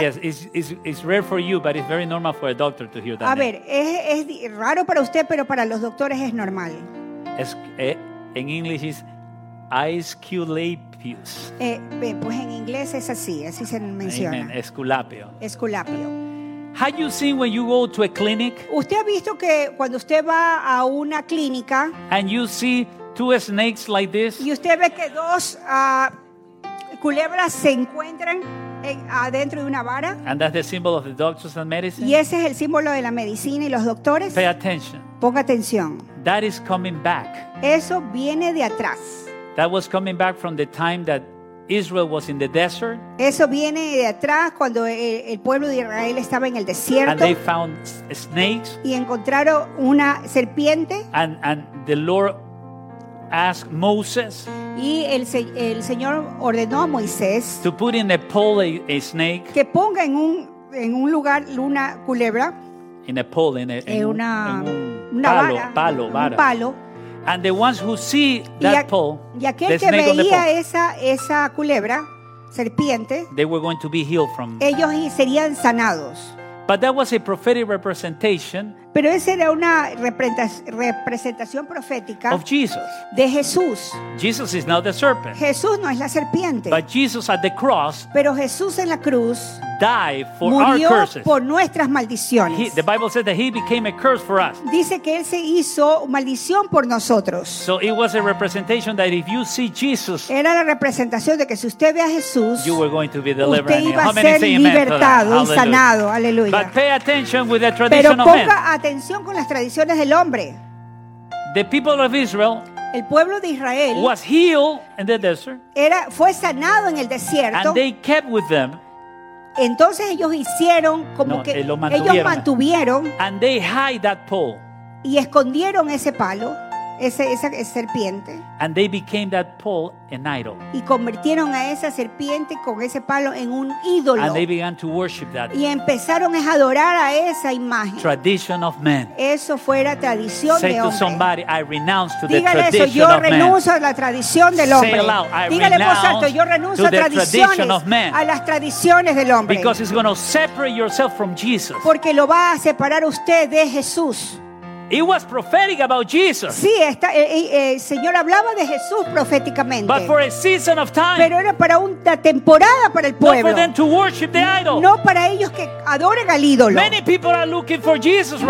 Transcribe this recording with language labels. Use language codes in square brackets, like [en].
[en] Yes, it's rare for you, but it's very normal for a doctor to hear that. [es] A ver, es raro para usted, pero para los doctores es normal. En inglés es Esculapius. Pues en inglés es así se menciona. Amen. Esculapio. [en] Have you seen when you go to a clinic? [es] ¿Usted ha visto que cuando usted va a una clínica? [en] And you see two snakes like this. [es] Y usted ve que dos culebras se encuentran adentro de una vara. [en] And that's the symbol of the doctors and medicine. [es] Y ese es el símbolo de la medicina y los doctores. [en] Pay attention. [es] Ponga atención. [en] That is coming back. [es] Eso viene de atrás. [en] That was coming back from the time that Israel was in the desert. [es] Eso viene de atrás cuando el pueblo de Israel estaba en el desierto. [en] And they found snakes. [es] Y encontraron una serpiente. [en] And the Lord asked Moses. [es] Y el Señor ordenó a Moisés [en] to put in the pole a snake. [es] Que ponga en un lugar una culebra. [en] In a pole, [es] en un palo. Palo. [en] And the ones who see that pole, [es] y aquel que veía esa culebra, serpiente, [en] they were going to be healed from. [es] Ellos serían sanados. [en] But that was a prophetic representation. [es] Pero esa era una representación profética [en] of Jesus. [es] De Jesús. [en] Jesus is not the serpent. [es] Jesús no es la serpiente. [en] But Jesus at the cross. [es] Pero Jesús en la cruz. [en] Died for [es] murió [en] our curses. [es] Por nuestras maldiciones. [en] The Bible says that he became a curse for us. [es] Dice que él se hizo maldición por nosotros. [en] So it was a representation that if you see Jesus. [es] Era la representación de que si usted ve a Jesús. [en] You were going to be delivered. [es] Usted iba a ser libertado y sanado. Aleluya. [en] But pay attention with the traditional men. [es] Atención con las tradiciones del hombre. [en] The people of Israel, [es] el pueblo de Israel, [en] was healed in the desert, [es] fue sanado en el desierto. [en] And they kept with them. [es] Entonces ellos hicieron como no, mantuvieron. Ellos mantuvieron. [en] And they hide that pole. [es] Y escondieron ese palo, esa serpiente. [en] And they became that pole an idol. [es] Y convirtieron a esa serpiente con ese palo en un ídolo. [en] And they began to worship that. [es] Y empezaron a adorar a esa imagen. [en] Tradition of men. [es] Eso fuera tradición [en] say [es] de hombre. [en] Say to somebody, I renounce to [es] dígale [en] the tradition [es] eso, yo renuncio a la tradición del hombre. [en] Say aloud, I [es] dígale [en] renounce [es] por alto, yo renuncio [en] to the [es] a tradiciones [en] of men. [es] A las tradiciones del hombre. [en] Because it's going to separate yourself from Jesus. [es] Porque lo va a separar usted de Jesús. [en] It was prophetic about Jesus. [es] Sí, el Señor hablaba de Jesús proféticamente. [en] But for a season of time. [es] Pero era para una temporada para el pueblo. [en] Not for them to worship the idol. [es] No para ellos que adoren al ídolo. [en] Many people are looking for Jesus right